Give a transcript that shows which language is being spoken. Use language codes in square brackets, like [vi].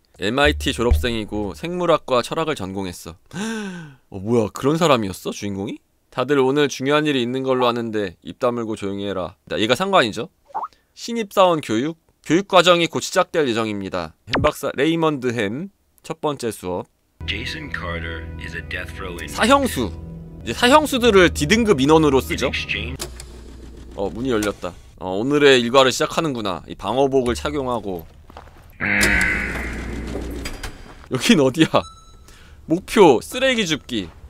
[ko] MIT 졸업생이고 생물학과 철학을 전공했어. 어 뭐야, 그런 사람이었어? 주인공이? 다들 오늘 중요한 일이 있는 걸로 아는데 입 다물고 조용히 해라. 얘가 상관이죠? 신입사원 교육? 교육과정이 곧 시작될 예정입니다. 햄 박사 레이먼드 햄 첫 번째 수업. [en] 제이슨 카터 is a death row inmate. [ko] 사형수. 이제 사형수들을 D등급 인원으로 쓰죠. 어, 문이 열렸다. 어, 오늘의 일과를 시작하는구나. 이 방어복을 착용하고. 여긴 어디야? 목표 쓰레기 줍기.